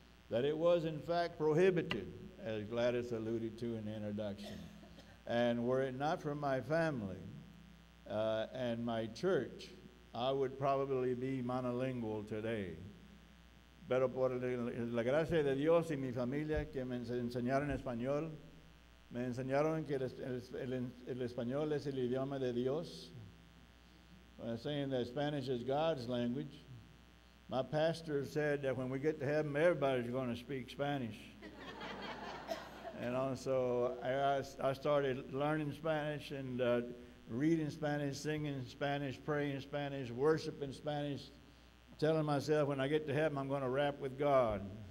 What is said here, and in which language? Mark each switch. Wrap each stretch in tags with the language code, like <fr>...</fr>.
<en>That it was, in fact, prohibited, as Gladys alluded to in the introduction. And were it not for my family, and my church, I would probably be monolingual today.</en> <es>Pero por la gracia de Dios y mi familia que me enseñaron español, me enseñaron que el español es el idioma de Dios.</es> <en>When saying that Spanish is God's language, my pastor said that when we get to heaven, everybody's going to speak Spanish. And also, I started learning Spanish and reading Spanish, singing Spanish, praying Spanish, worshiping Spanish, telling myself when I get to heaven, I'm going to rap with God.</en>